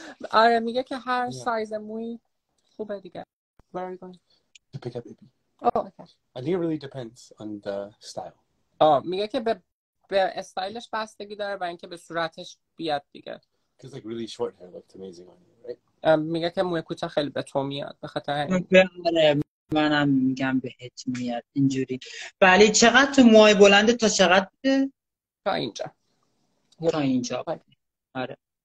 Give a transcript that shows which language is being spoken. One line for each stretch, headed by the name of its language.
Persian: آره میگه که هر سایز موی خوبه دیگه.
English: Where are you going? To pick up baby. Oh, okay. I think it really depends on the style.
Persian: آه میگه که به استایلش بستگی داره و اینکه به صورتش بیاد دیگه.
English: Because like really short hair looked amazing on you, right?
Persian: میگه که موی کوتاه خیلی به تو میاد به خاطر این. آره منم میگم بهت میاد اینجوری. ولی چقدر تو موهای بلند تا چقدر بوده؟ تا اینجا. تا اینجا. آره.